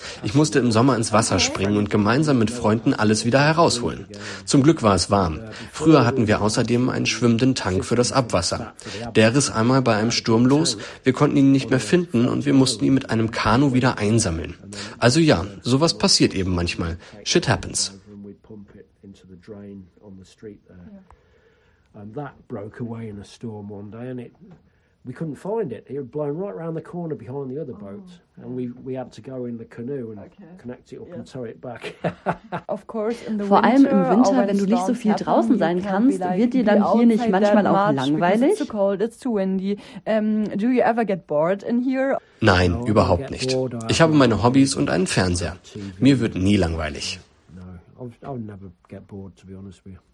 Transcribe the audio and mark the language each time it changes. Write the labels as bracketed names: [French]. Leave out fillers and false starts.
[German] Ich musste im Sommer ins Wasser springen und gemeinsam mit Freunden alles wieder herausholen. Zum Glück war es warm. Früher hatten wir außerdem einen schwimmenden Tank für das Abwasser. Der riss einmal bei einem Sturm los, wir konnten ihn nicht mehr finden und wir mussten ihn mit einem Kanu wieder einsammeln. Also ja, sowas passiert eben manchmal. [English] Shit happens. And that broke away in a storm one day, and it we couldn't find it. It had blown right around the corner behind the other boat. And we had to go in the canoe and connect it up and tow it back. Of course, in the [German] Vor allem im Winter, wenn du nicht so viel draußen sein kannst, wird dir dann hier nicht manchmal auch langweilig? [English] It's too cold, it's too windy. Do you ever get bored in here? [German] Nein, überhaupt nicht. Ich habe meine Hobbys und einen Fernseher. Mir wird nie langweilig. [English] No, I'll never get bored, to be honest with you.